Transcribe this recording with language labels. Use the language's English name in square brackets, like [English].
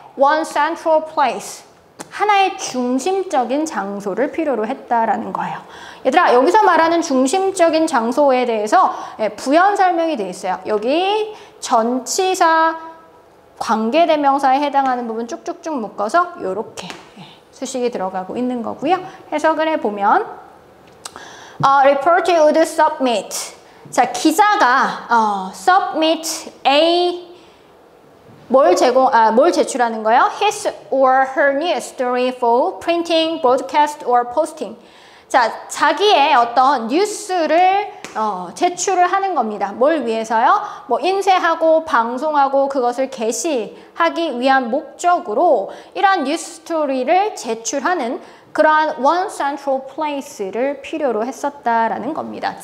[English] One central place, [Korean] 하나의 중심적인 장소를 필요로 했다라는 거예요. 얘들아, 여기서 말하는 중심적인 장소에 대해서 부연 설명이 되어 있어요. 여기 전치사 관계대명사에 해당하는 부분 쭉쭉쭉 묶어서 이렇게 수식이 들어가고 있는 거고요. 해석을 해보면 [English] report would submit. [Korean] 자, 기자가 submit a 뭘 제출하는 거예요? [English] His or her news story for printing, broadcast or posting. [Korean] 자, 자기의 어떤 뉴스를 제출을 하는 겁니다. 뭘 위해서요? 뭐 인쇄하고 방송하고 그것을 게시하기 위한 목적으로 이러한 뉴스 스토리를 제출하는 그러한 [English] one central place [Korean] 를 필요로 했었다라는 겁니다.